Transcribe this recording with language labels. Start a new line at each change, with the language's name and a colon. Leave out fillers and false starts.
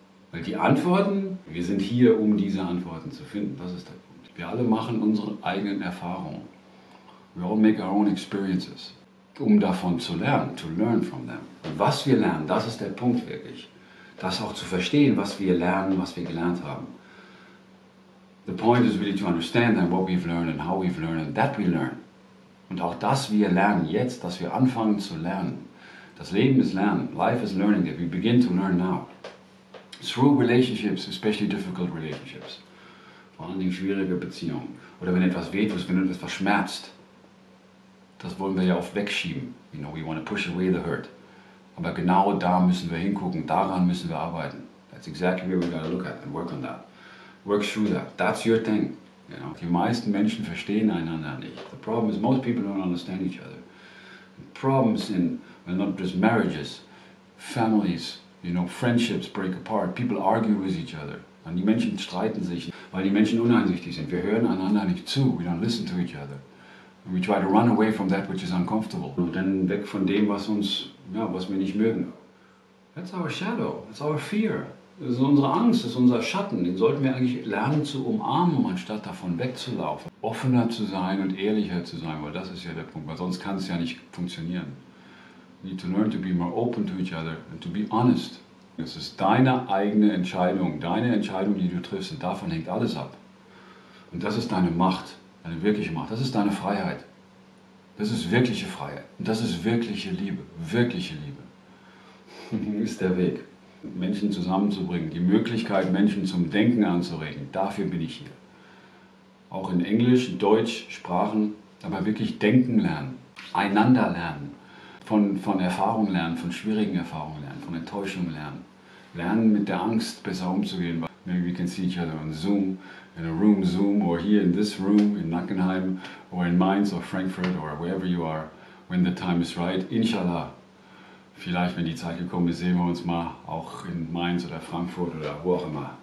German: Weil die Antworten, wir sind hier, um diese Antworten zu finden. Das ist der Punkt. Wir alle machen unsere eigenen Erfahrungen.
English: We all make our own experiences.
German: Um davon zu lernen,
English: to learn from them.
German: Und was wir lernen, das ist der Punkt wirklich. Das auch zu verstehen, was wir lernen, was wir gelernt haben.
English: The point is really to understand then what we've learned and how we've learned and that we learn.
German: Und auch das wir lernen jetzt, dass wir anfangen zu lernen. Das Leben ist Lernen.
English: Life is learning that we begin to learn now. Through relationships, especially difficult relationships.
German: Vor allen Dingen schwierige Beziehungen. Oder wenn etwas wehtut, wenn etwas schmerzt. Das wollen wir ja oft wegschieben.
English: You know, we want to push away the hurt.
German: Aber genau da müssen wir hingucken. Daran müssen wir arbeiten.
English: That's exactly where we gotta look at and work on that. Work through that. That's your thing. You know,
German: die meisten Menschen verstehen einander nicht.
English: The problem is most people don't understand each other. Problems in, well, not just marriages, families, you know, friendships break apart. People argue with each other.
German: Und die Menschen streiten sich, weil die Menschen uneinsichtig sind. Wir hören einander nicht zu.
English: We don't listen to each other. And we try to run away from that which is uncomfortable.
German: Und dann weg von dem, was uns, ja, was wir nicht mögen.
English: That's our shadow. That's our fear.
German: Das ist unsere Angst, das ist unser Schatten. Den sollten wir eigentlich lernen zu umarmen, anstatt davon wegzulaufen. Offener zu sein und ehrlicher zu sein, weil das ist ja der Punkt, weil sonst kann es ja nicht funktionieren.
English: We need to learn to be more open to each other and to be honest.
German: Es ist deine eigene Entscheidung. Deine Entscheidung, die du triffst, und davon hängt alles ab. Und das ist deine Macht, deine wirkliche Macht. Das ist deine Freiheit. Das ist wirkliche Freiheit. Und das ist wirkliche Liebe. Wirkliche Liebe. Ist der Weg. Menschen zusammenzubringen, die Möglichkeit, Menschen zum Denken anzuregen. Dafür bin ich hier. Auch in Englisch, Deutsch, Sprachen, aber wirklich denken lernen, einander lernen, von Erfahrung lernen, von schwierigen Erfahrungen lernen, von Enttäuschung lernen. Lernen, mit der Angst besser umzugehen.
English: Maybe we can see each other on Zoom, in a room Zoom, or here in this room, in Nackenheim, or in Mainz, or Frankfurt, or wherever you are, when the time is right, inshallah.
German: Vielleicht, wenn die Zeit gekommen ist, sehen wir uns mal auch in Mainz oder Frankfurt oder wo auch immer.